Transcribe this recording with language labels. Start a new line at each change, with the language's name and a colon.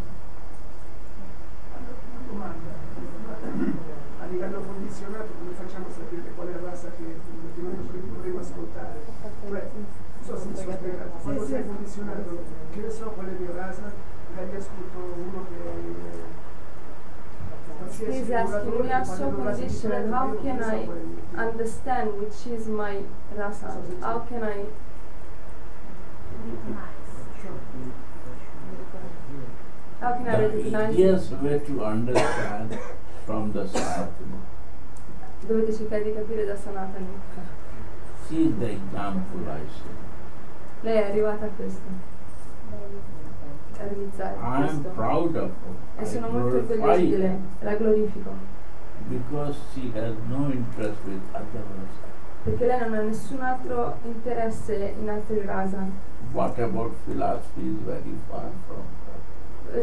Italian: Una domanda. A livello condizionato, come facciamo a sapere qual è la rasa che dovremmo ascoltare? Non so se mi sono spiegato. Ma cos'è condizionato? Che ne so qual è la mia rasa? Magari ascolto uno che è...
English: Please ask me, we are so conditioned, how can I understand which is my rasa? How can I... How can the easiest way to understand from the Sanatana.
Italian: Dovete cercare di capire da Sanatana.
English: See the example I see.
Italian: Lei è arrivata a questo. A realizzare questo.
English: I am proud of her.
Italian: E sono
English: I
Italian: molto orgoglioso di lei, la glorifico.
English: Because she has no interest with other rasa.
Italian: Perché lei non ha nessun altro interesse in altri rasa.
English: What about philosophy is very far from her.